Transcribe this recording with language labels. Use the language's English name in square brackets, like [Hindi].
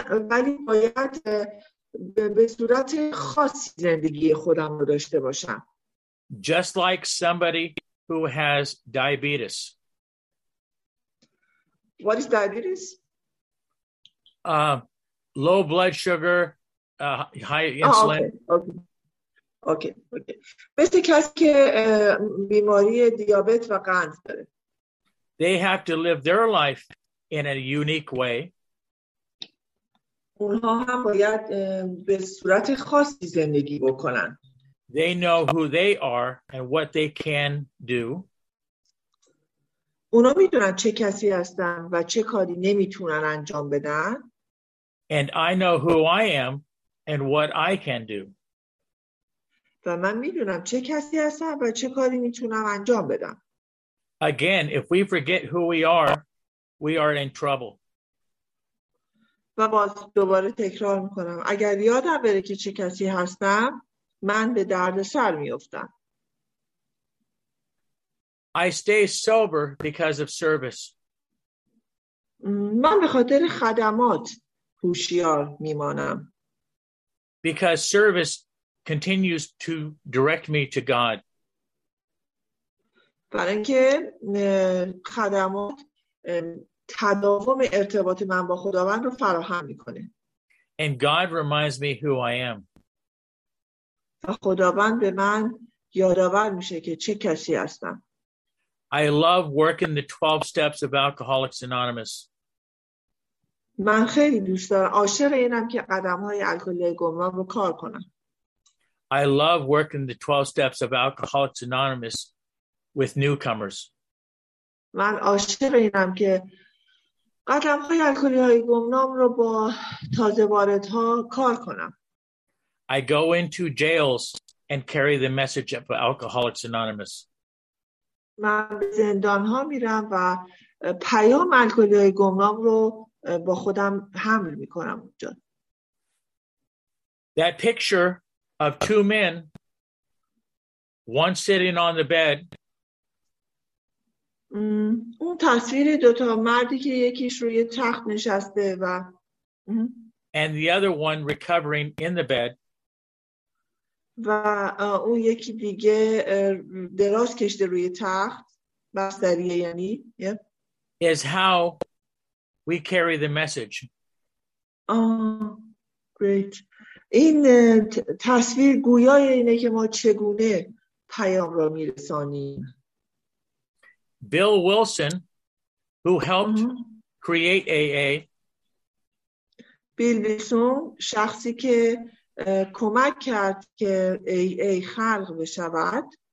[Persian] ولی باید به صورت خاصی زندگی خودم رو داشته باشم. [English] Just like somebody who has diabetes. What is diabetes? Low blood sugar, high insulin. Okay. [Persian] مثل کسی که بیماری دیابت و قند داره. [English] They have to live their life in a unique way. [Persian] اونها هم باید به صورت خاصی زندگی بکنن. [English] They know who they are and what they can do. [Persian] اونا میدونن چه کسی هستن و چه کاری نمیتونن انجام بدن. [English] And I know who I am and what I can do. [Persian] و من میدونم چه کسی هستم و چه کاری میتونم انجام بدم. [English] Again, if we forget who we are in trouble. [Persian] و باز دوباره تکرار میکنم. اگر یادم بره که چه کسی هستم، من به درد سر میفتم. [English] I stay sober because of service. [Persian] من به خاطر خدمات هوشیار میمانم. [English] Because service continues to direct me to God. [Persian] برای اینکه خدمات تداوم ارتباط من با خداوند رو فراهم میکنه. [English] And God reminds me who I am. [Persian] و خداوند به من یادآور میشه که چه کسی هستم. [English] I love working the 12 steps of Alcoholics Anonymous. [Persian] من خیلی دوست دارم، عاشق اینم که قدم‌های الکلیگوم رو کار کنم. [English] I love working the 12 steps of Alcoholics Anonymous with newcomers. [Persian] من عاشق اینم که قدم‌های الکلیگوم رو با تازه واردها کار کنم. [English] I go into jails and carry the message of Alcoholics Anonymous. [Persian] من به زندان ها میرم و پیام الکلی‌های گمنام رو با خودم حمل میکنم اونجا. [English] That picture of two men, one sitting on the bed. [Persian] اون تصویر دو تا مردی که یکیش روی تخت نشسته و [English] and the other one recovering in the bed. [Persian] و اون یکی دیگه دراز کشته روی تخت بستریه، یعنی [English] is how we carry the message. Great. [Persian] این تصویر گویای اینه که ما چگونه پیام را میرسانیم. [English] Bill Wilson, who helped create AA. [Persian] بیل ویلسون، شخصی که کمک کرد که AA خلق بشود،